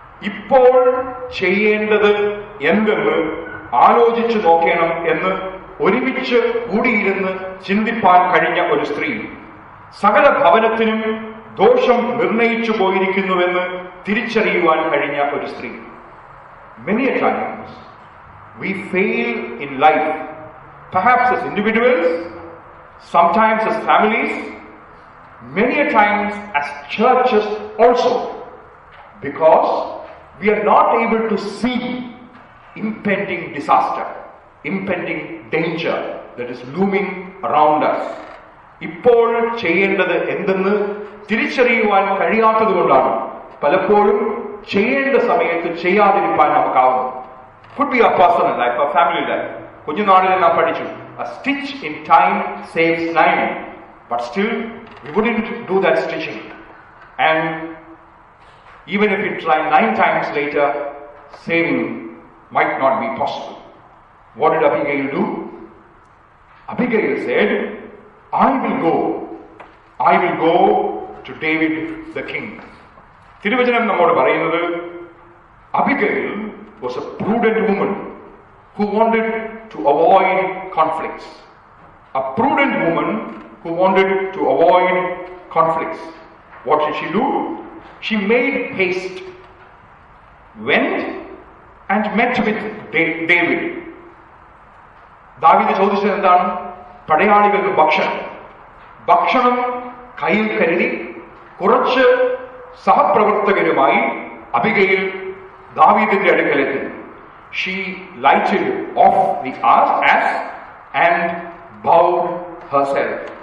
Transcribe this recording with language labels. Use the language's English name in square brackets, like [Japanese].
[Malayalam] ഇപ്പോൾ ചെയ്യേണ്ടത് എന്തെന്ന് ആലോചിച്ചു നോക്കണം എന്ന് ഒരുമിച്ച് കൂടിയിരുന്ന് ചിന്തിപ്പാൻ കഴിഞ്ഞ ഒരു സ്ത്രീ. സകല ഭവനത്തിനും ദോഷം നിർണയിച്ചു പോയിരിക്കുന്നുവെന്ന് തിരിച്ചറിയുവാൻ കഴിഞ്ഞ ഒരു സ്ത്രീ. [English] Many a times we fail in life perhaps as individuals, sometimes as families, many a times as churches also, because we are not able to see impending disaster, impending danger that is looming around us. ഇപ്പോൾ ചെയ്യേണ്ടത് എന്തെന്ന് തിരിച്ചറിയുവാൻ കഴിയാത്തത് കൊണ്ടാണ് പലപ്പോഴും ചെയ്യേണ്ട സമയത്ത് ചെയ്യാതിരിക്കാൻ നമുക്കാവുന്നത്. Could be a personal life, a family life. [Malayalam] കുഞ്ഞുനാളിൽ നാം പഠിച്ചു, [English] a stitch in time saves nine. But still, we wouldn't do that stitching. And even if we try nine times later, saving might not be possible. What did Abigail do? Abigail said, I will go to David the king. [Malayalam] തിരുവചനം നമ്മോട് പറയുന്നത് [English] Abigail was a prudent woman who wanted to avoid conflicts. A prudent woman who wanted to avoid conflicts. What did she do? She made haste, went and met with David. [Malayalam] ദാവീദ് ചോദിച്ചത് എന്താണ്? പടയാളികൾക്ക് ഭക്ഷണം. ഭക്ഷണം കയ്യിൽ കരുതി കുറച്ച് സഹപ്രവർത്തകരുമായി അബിഗയിൽ ദാവീദിന്റെ അടുക്കലെത്തി. [English] She lighted off the ash and bowed herself.